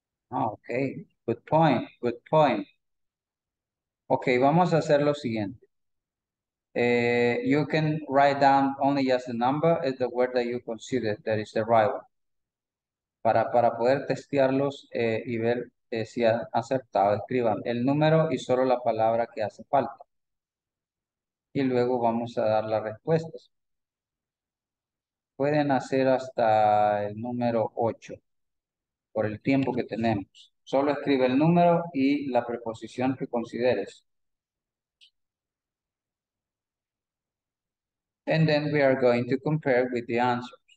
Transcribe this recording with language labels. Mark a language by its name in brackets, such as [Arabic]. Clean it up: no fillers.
[English] Okay, good point, good point. Okay, [Spanish] vamos a hacer lo siguiente. [English] You can write down only just the number, is the word that you consider that is the right one. [Spanish] Para poder testearlos y ver si han acertado, escriban el número y solo la palabra que hace falta. Y luego vamos a dar las respuestas. Pueden hacer hasta el número 8, por el tiempo que tenemos. Solo escribe el número y la preposición que consideres. [English] And then we are going to compare with the answer.